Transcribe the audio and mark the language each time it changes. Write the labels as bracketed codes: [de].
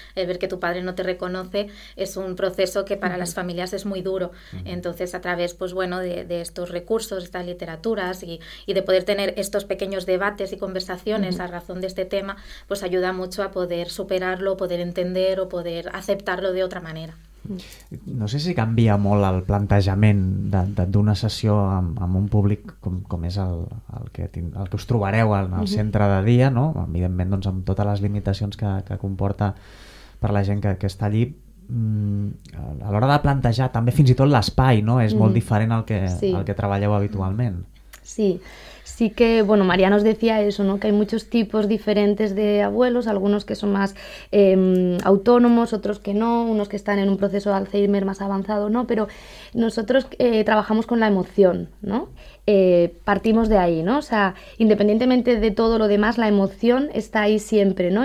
[es] El ver que tu padre no te reconoce es un proceso que para las familias es muy duro. Entonces, a través, pues bueno, de estos recursos, estas literaturas y de poder tener estos pequeños debates y conversaciones a razón de este tema, pues ayuda mucho a poder superarlo, poder entender o poder aceptarlo de otra manera. [ca] No sé si canvia molt el plantejament d'una sessió amb un públic com és el que us trobareu en el centre de dia, no? Evidentment, doncs, amb totes les limitacions que comporta per la gent que està allí. A l'hora de plantejar també fins i tot l'espai, no? És molt diferent al que treballeu habitualment. [es] Sí. Sí que, bueno, María nos decía eso, ¿no? Que hay muchos tipos diferentes de abuelos, algunos que son más autónomos, otros que no, unos que están en un proceso de Alzheimer más avanzado, ¿no? Pero nosotros trabajamos con la emoción, ¿no? Partimos de ahí, ¿no? O sea, independientemente de todo lo demás, la emoción está ahí siempre, ¿no?